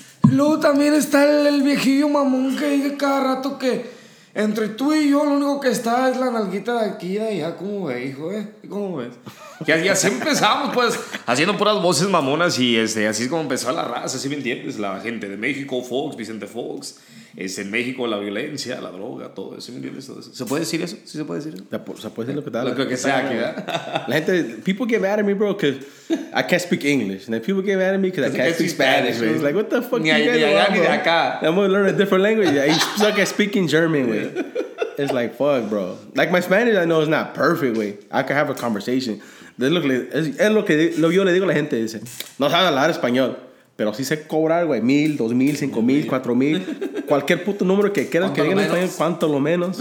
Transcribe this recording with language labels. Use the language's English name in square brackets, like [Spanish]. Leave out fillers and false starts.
[Spanish] Luego también está el viejillo mamón que dice cada rato que entre tú y yo lo único que está es la nalguita de aquí y allá. ¿Cómo ves, hijo? ¿Cómo ves? Y así empezamos, pues, haciendo puras voces mamonas y así es como empezó la raza, ¿sí me entiendes? La gente de México, Fox, Vicente Fox. Es en México la violencia, la droga, todo eso, ¿sí me entiendes? Todo eso. ¿Se puede decir eso? ¿Sí se puede decir eso? Se puede decir lo que tal. Lo que sea, que [English] la gente, people get mad at me, bro, because I can't speak English. And then people get mad at me because I can't speak Spanish, man. It's like, what the fuck ni you guys want, bro? Acá. I'm going to learn a different language. Yeah, you suck at speaking German, way. It's like, fuck, bro. Like, my Spanish, I know it's not perfect, way. I can have a conversation. [Spanish] Es lo que yo le digo a la gente, dice, no sabe hablar español. Pero sí sé cobrar, güey, 1,000, 2,000, 5,000, 4,000. Cualquier puto número que quieras que digan en español, cuánto lo menos.